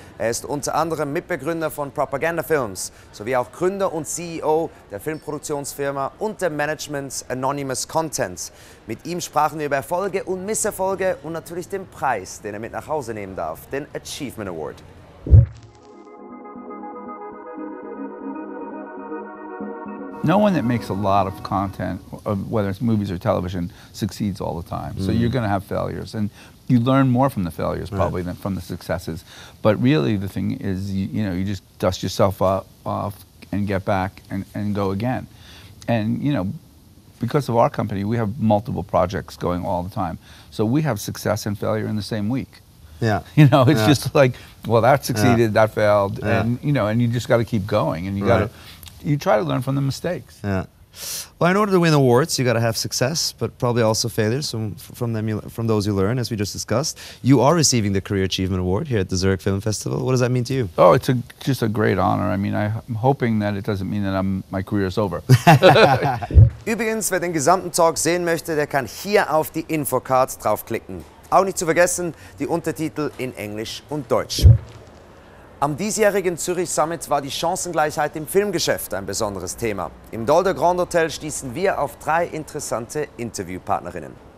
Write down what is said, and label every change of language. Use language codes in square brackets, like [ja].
[de] Er ist unter anderem Mitbegründer von Propaganda Films, sowie auch Gründer und CEO der Filmproduktionsfirma und der Management Anonymous Content. Mit ihm sprachen wir über Erfolge und Misserfolge und natürlich den Preis, den er mit nach Hause nehmen darf, den Achievement Award. [en] No one that makes a lot of content, whether it's movies or television, succeeds all the time. Mm. So you're going to have failures. And you learn more from the failures probably right. than from the successes. But really the thing is, you just dust yourself off and get back and go again. And, because of our company, we have multiple projects going all the time. So we have success and failure in the same week. Yeah. It's just like, well, that succeeded, that failed. Yeah. And you just got to keep going. And you got to... You try to learn from the mistakes. Yeah. Well, in order to win awards, you got to have success, but probably also failures from those you learn, as we just discussed. You are receiving the Career Achievement Award here at the Zurich Film Festival. What does that mean to you? Oh, it's just a great honor. I mean, I'm hoping that it doesn't mean that my career is over. [de] Übrigens, wer den gesamten Talk sehen möchte, der kann hier auf die Infocard draufklicken. Auch nicht zu vergessen, die Untertitel in Englisch und Deutsch. Am diesjährigen Zurich Summit war die Chancengleichheit im Filmgeschäft ein besonderes Thema. Im Dolder Grand Hotel stießen wir auf 3 interessante Interviewpartnerinnen.